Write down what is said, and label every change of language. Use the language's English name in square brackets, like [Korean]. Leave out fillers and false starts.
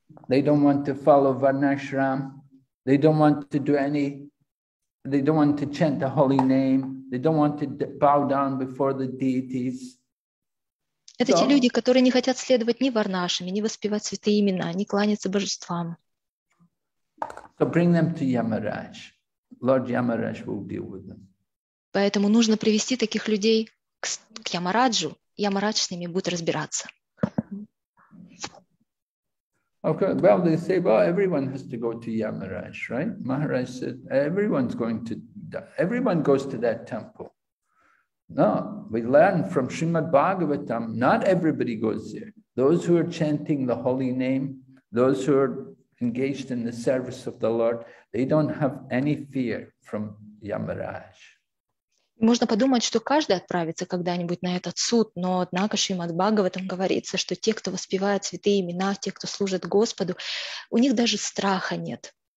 [English] They don't want to follow Varnashram. They don't want to do any. They don't want to chant the holy name. They don't want to bow down before the deities. [Russian] Это те люди, которые не хотят следовать ни варнашами, ни воспевать святые имена, ни кланяться божествам. [English] So bring them to Yamaraj. Lord Yamaraj will deal with them. [Russian] Поэтому нужно привести таких людей к Ямараджу, и Ямарадж с ними будет разбираться. [English] Okay, well, they say, well, everyone has to go to Yamaraj, right? Maharaj said, everyone's going to die. Everyone goes to that temple. No, we learn from Srimad Bhagavatam, not everybody goes there. Those who are chanting the holy name, those who are engaged in the service of the Lord, they don't have any fear from Yamaraj. [Russian] Можно подумать, что каждый отправится когда-нибудь на этот суд, но однако Шримад Бхагаватам говорится, что те, кто воспевает святые имена, те, кто служит Господу, у них даже страха нет